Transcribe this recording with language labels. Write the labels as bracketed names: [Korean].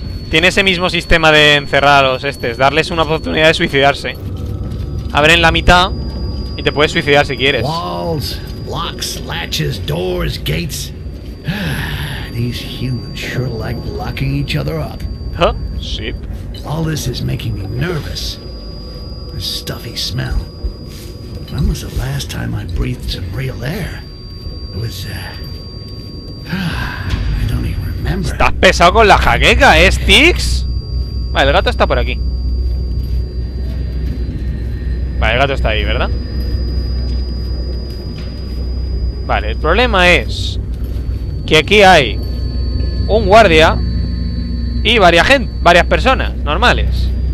[Spanish] Tiene ese mismo sistema de encerrar a los estes. Darles una oportunidad de suicidarse. Abren la mitad y te puedes suicidar si quieres. [English] Walls, locks, latches, doors, gates. These humans sure like locking each other up. Huh? Sheep. All this is making me nervous. Stuffy smell. When was the last time I breathed some real air? It was, I don't even remember. [Spanish] Estás pesado con la jaqueca, ¿eh, Stix? Vale, el gato está por aquí. Vale, el gato está ahí, ¿verdad? Vale, el problema es que aquí hay un guardia y varias personas normales.